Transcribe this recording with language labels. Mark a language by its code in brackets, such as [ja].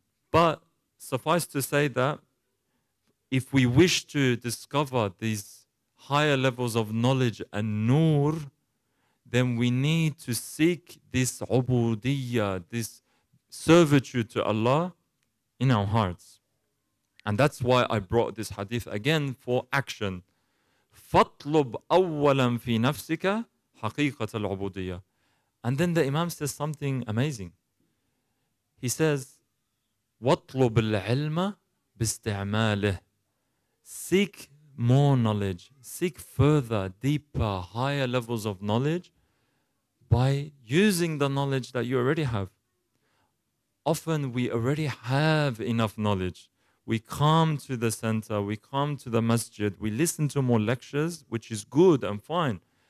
[en] But suffice to say that if we wish to discover these higher levels of knowledge and nur, then we need to seek this ubudiyyah, this servitude to Allah in our hearts. And that's why I brought this hadith again for action. [ar] فَطْلُبْ أَوَّلًا فِي نَفْسِكَ حَقِيقَةَ الْعُبُودِيَّةِ. [en] And then the Imam says something amazing. He says, [ar] وَطْلُبْ الْعِلْمَ بِاسْتِعْمَالِهِ. [en] Seek more knowledge. Seek further, deeper, higher levels of knowledge by using the knowledge that you already have. Often we already have enough knowledge. We come to the center, we come to the masjid, we listen to more lectures, which is good and fine.